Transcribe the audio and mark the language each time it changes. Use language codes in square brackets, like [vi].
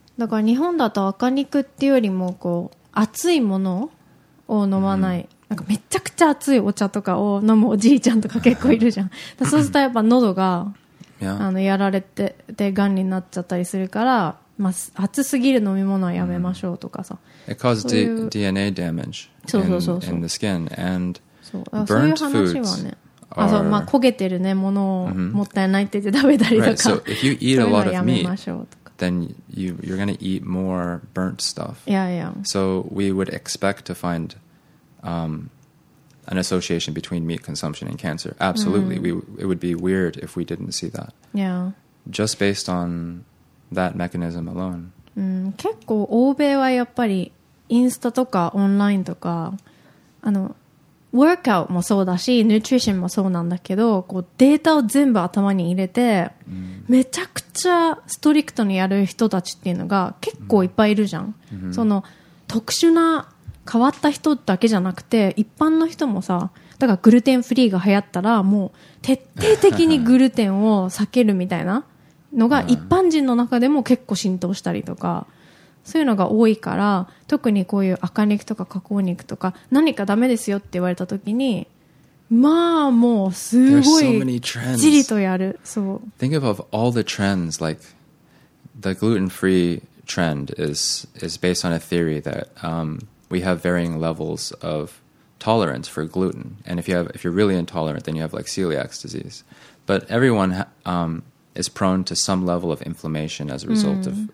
[ja] だから日本だと赤肉っていうよりもこう熱いものを飲まない、mm-hmm. なんかめちゃくちゃ熱いお茶とかを飲むおじいちゃんとか結構いるじゃん。だそうするとやっぱ喉が、 yeah. あのやられてて癌になっちゃったりするから、まあ、熱すぎる飲み物はやめましょうとかさ。 [en] It causes DNA damage in the skin and burnt foods. あ、 [ja] そう、まあ、焦げてるねものをもったいないって言って食べたりとか、 [en] right. so、if you eat [ja] そういうのはやめましょうとか。 [en] Then you're going to eat more burnt stuff. Yeah, yeah. So we would expect to find an association between meat consumption and cancer. Absolutely.、 Mm-hmm. It would be weird if we didn't see that. Yeah. Just based on that mechanism alone.、 [ja] 結構欧米はやっぱりインスタとかオンラインとかあのワークアウトもそうだし、ニューチューションもそうなんだけど、こうデータを全部頭に入れて、めちゃくちゃストリクトにやる人たちっていうのが結構いっぱいいるじゃん。その特殊な変わった人だけじゃなくて、一般の人もさ、だからグルテンフリーが流行ったら、もう徹底的にグルテンを避けるみたいなのが一般人の中でも結構浸透したりとか、そういうのが多いから、特にこういう赤肉とか加工肉とか何かダメですよって言われた時に、まあもうすごいきっちりとやる。そう、 [en] Think of all the trends, like the gluten-free trend is based on a theory that we have varying levels of tolerance for gluten, and if you're really intolerant, then you have like celiac disease, but everyone is prone to some level of inflammation as a result、mm.